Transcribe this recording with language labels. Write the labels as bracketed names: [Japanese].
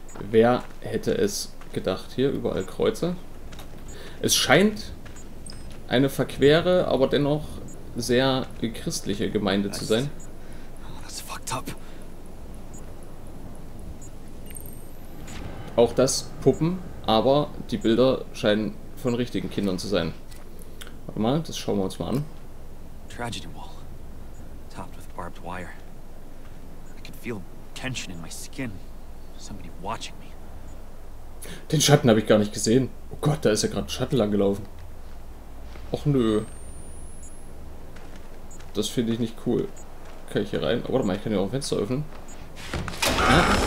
[German] Wer hätte es gedacht? Hier überall Kreuze. Es scheint eine verquere, aber dennoch sehr christliche Gemeinde zu sein. Das ist [English] fucked up. [German] Auch das Puppen, aber die Bilder scheinen von richtigen Kindern zu sein. Warte mal, das schauen wir uns mal an. [English] Tragedy wall, topped with barbed wire. I could feel tension in my skin. Somebody watching me. [German] Den Schatten habe ich gar nicht gesehen. Oh Gott, da ist ja gerade ein Schatten lang gelaufen. Och nö. Das finde ich nicht cool. Kann ich hier rein? Oh, warte mal, ich kann hier auch ein Fenster öffnen. Ah.